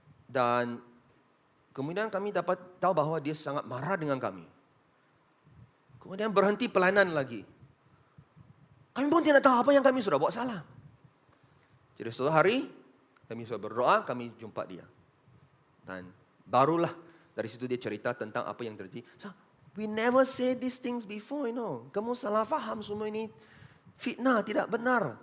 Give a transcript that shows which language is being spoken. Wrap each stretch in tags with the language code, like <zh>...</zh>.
<ms>Dan kemudian kami dapat tahu bahwa dia sangat marah dengan kami. Kemudian berhenti pelayanan lagi. Kami pun tidak tahu apa yang kami sudah buat salah. Jadi suatu hari, kami sudah berdoa, kami jumpa dia. Dan barulah dari situ dia cerita tentang apa yang terjadi.</ms> <en>So, we never say these things before, you know.</en> <ms>Kamu salah faham semua ini fitnah, tidak benar.</ms>